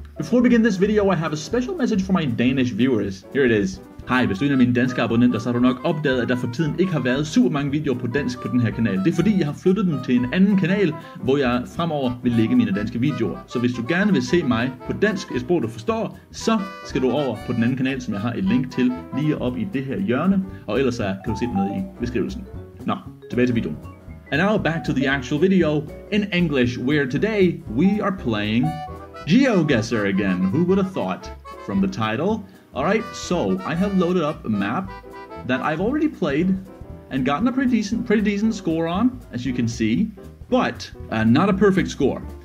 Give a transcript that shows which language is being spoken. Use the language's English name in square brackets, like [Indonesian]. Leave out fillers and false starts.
[English] Before we begin this video, I have a special message for my Danish viewers. Here it is. [Danish] Hej, hvis du er en af mine danske abonnenter, så har du nok opdaget, at der for tiden ikke har været super mange videoer på dansk på den her kanal. Det er fordi, jeg har flyttet dem til en anden kanal, hvor jeg fremover vil lægge mine danske videoer. Så hvis du gerne vil se mig på dansk, et sprog du forstår, så skal du over på den anden kanal, som jeg har et link til lige op i det her hjørne. Og ellers kan du se det nede i beskrivelsen. Nå, tilbage til videoen. [English] And now back to the actual video in English, where today we are playing Geoguessr again. Who would have thought from the title? Alright, so I have loaded up a map that I've already played and gotten a pretty decent score on, as you can see, but not a perfect score.